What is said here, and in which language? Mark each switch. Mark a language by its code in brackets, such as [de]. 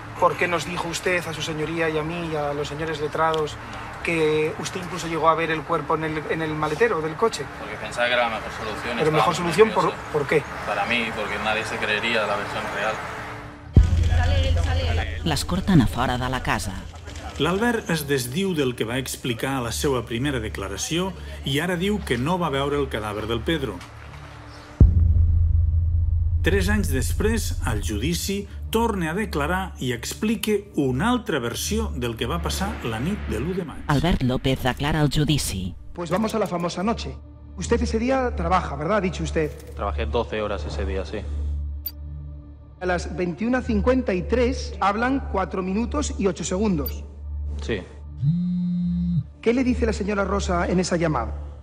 [es] ¿Por qué nos dijo usted a su señoría y a mí y a los señores letrados que usted incluso llegó a ver el cuerpo en el maletero del coche? Porque pensaba que era la mejor solución. ¿Pero mejor solución por qué? Para mí, porque nadie se creería la versión real. [ca] Les corten a fora de la casa. L'Albert es desdiu del que va explicar a la seva primera declaració i ara diu que no va veure el cadàver del Pedro. 3 anys després, al judici, torna a declarar i explica una altra versió del que va passar la nit de l'1 de maig. Albert López declara el judici. [es] Pues vamos a la famosa noche. Usted ese día trabaja, ¿verdad? Ha dicho usted. Trabajé 12 horas ese día, sí. A las 21:53 hablan 4 minutos y 8 segundos. Sí. ¿Qué le dice la señora Rosa en esa llamada?